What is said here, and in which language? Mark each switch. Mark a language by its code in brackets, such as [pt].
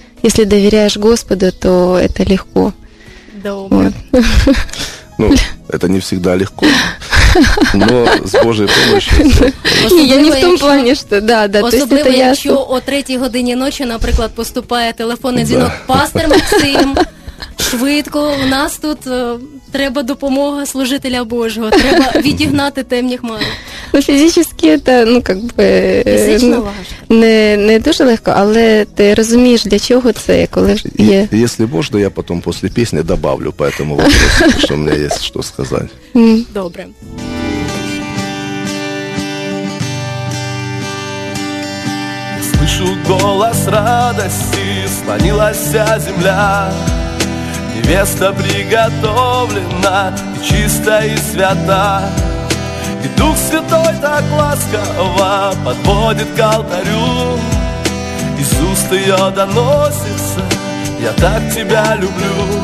[ru] Если доверяешь Господу, то это легко. Ну, это не всегда легко, но с Божьей помощью. Я не в том плане, что да. [uk] Особливо, якщо о 3-й годині ночі, наприклад, поступає телефонний дзвінок: «Пастор Максим, швидко, у нас тут треба допомога служителя Божого, треба відігнати темні хмари». Ну, фізично це, ну, як би... Фізично важко. Не дуже легко, але ти розумієш, для чого це, коли є... Якщо можна, я потім після пісні добавлю по цьому питанню, що в мене є що сказати. Добре. [ru] Слышу голос радості, склонилася земля. Место приготовлено и чисто, и свято. И Дух Святой так ласково подводит к алтарю. Из уст ее доносится: «Я так тебя люблю».